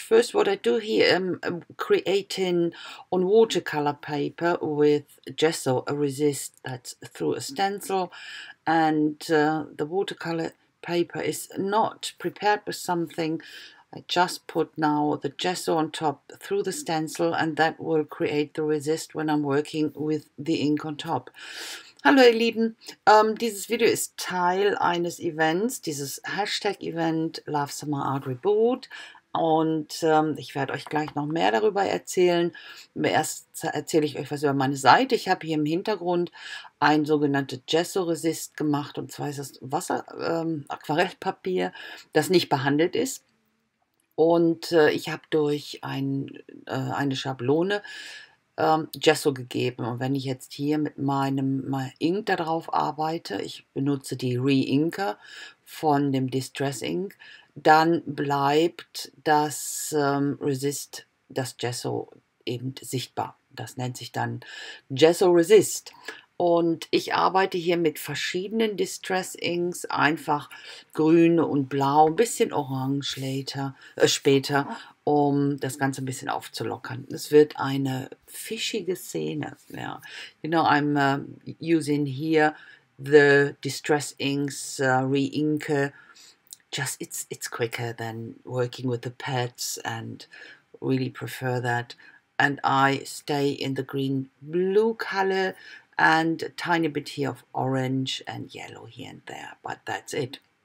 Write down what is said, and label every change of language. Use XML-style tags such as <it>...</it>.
<en>First, what I do here, I'm creating on watercolor paper with gesso, a resist that's through a stencil. And the watercolor paper is not prepared with something. I just put now the gesso on top through the stencil, and that will create the resist when I'm working with the ink on top.</en> <de>Hallo ihr Lieben, dieses Video ist Teil eines Events, dieses Hashtag-Event Love Summer Art Reboot, und ich werde euch gleich noch mehr darüber erzählen. Erst erzähle ich euch was über meine Seite. Ich habe hier im Hintergrund ein sogenanntes Gesso-Resist gemacht, und zwar ist das Wasser, Aquarellpapier, das nicht behandelt ist. Und ich habe durch eine Schablone Gesso gegeben. Und wenn ich jetzt hier mit meinem Ink darauf arbeite, ich benutze die Re-Inker von dem Distress Ink, dann bleibt das Resist, das Gesso eben sichtbar. Das nennt sich dann Gesso Resist. Und ich arbeite hier mit verschiedenen Distress Inks, einfach grün und blau, ein bisschen orange später, um das Ganze ein bisschen aufzulockern. Es wird eine fischige Szene. Yeah.</de> <en>You know, I'm using here the Distress Inks, re-inke. Just, it's quicker than working with the pads, and really prefer that. And I stay in the green-blue color, and a tiny bit here of orange and yellow here and there, but that's it.</en>